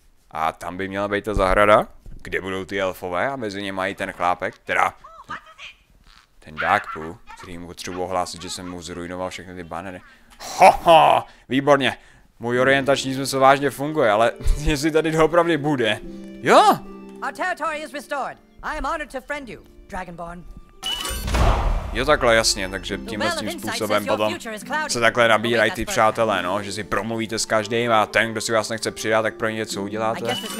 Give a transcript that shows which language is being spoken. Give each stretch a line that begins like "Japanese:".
Czech: A tam by měla být ta zahrada, kde budou ty elfové a mezi ně mají ten chlápek, teda ten Dogpu, který mu potřebuje ohlásit, že jsem mu zrujnoval všechny ty banery. Hoho, výborně. Můj orientační smysl vážně funguje, ale jestli tady doopravdy bude. Jo!
English: Our territory is restored. I am honored to friend you, Dragonborn.
Czech: Jo, takhle jasně, takže tímhle tím způsobem potom se takhle nabírají ty přátelé, no, že si promluvíte s každým a ten, kdo si vás nechce přidat, tak pro ně něco uděláte.